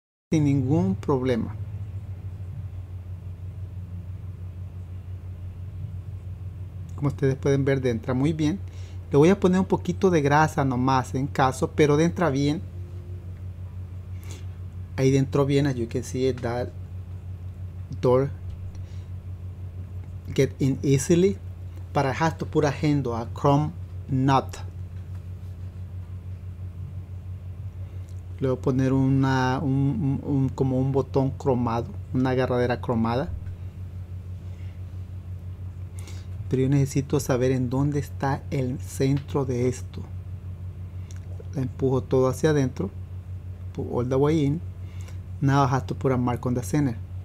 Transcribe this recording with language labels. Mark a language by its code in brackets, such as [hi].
[es] Sin ningún problema. Como ustedes pueden ver, entra muy bien. Le voy a poner un poquito de grasa nomás en caso, pero entra bien. Ahí dentro bien, [en] as you can see, that door get in easily. But I have to put a handle, a chrome nut. [es] Le voy a poner como un botón cromado, una agarradera cromada. Pero yo necesito saber en dónde está el centro de esto. La empujo todo hacia adentro. [en] Put all the way in. Now I have to put a mark on the center.